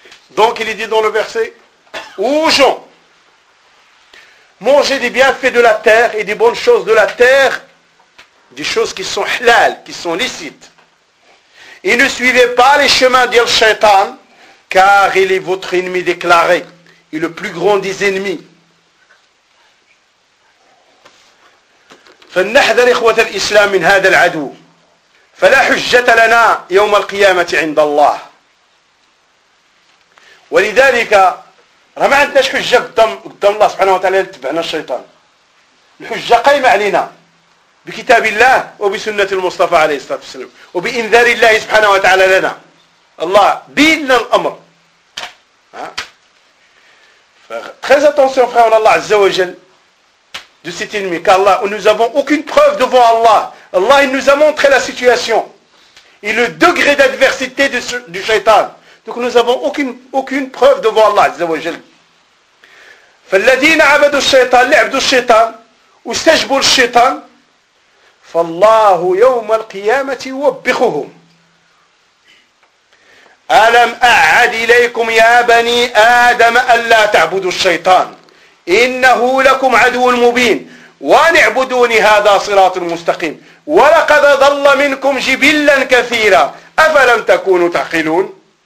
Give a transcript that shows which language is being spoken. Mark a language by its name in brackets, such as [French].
[French] Donc il est dit dans le verset, ô gens, mangez des bienfaits de la terre et des bonnes choses de la terre, des choses qui sont halal, qui sont licites. Et ne suivez pas les chemins d'El Shaitan, car il est votre ennemi déclaré, et le plus grand des ennemis. [Arabic] فلنحذر إخوة الإسلام من هذا العدو، فلا حجة لنا يوم القيامة عند الله. ولذلك راه ما عندناش حجة قدام الله سبحانه وتعالى اللي تبعنا الشيطان. الحجة قائمة علينا بكتاب الله وبسنة المصطفى عليه الصلاة والسلام وبإنذار الله سبحانه وتعالى لنا. الله بيننا الأمر. [French] Très attention frère, on a Allah Azza wa Jal de cet ennemi, car là nous n'avons aucune preuve devant Allah. Allah il nous a montré la situation et le degré d'adversité du shaitan. Donc nous n'avons aucune preuve devant Allah Azza wa Jal. [Arabic] فَالَّذِينَ عَبَدُوا الشَّيْطَانِ لِعْبَدُوا الشَّيْطَانِ وَاسْتَجْبُوا الشَّيْطَانِ فَاللَّهُ يَوْمَ الْقِيَامَةِ يُوَبِّخُهُمْ ألم أعد إليكم يا بني آدم ألا تعبدوا الشيطان إنه لكم عدو مبين وأن اعبدوني هذا صراط مستقيم ولقد ضل منكم جبلا كثيرا أفلم تكونوا تعقلون.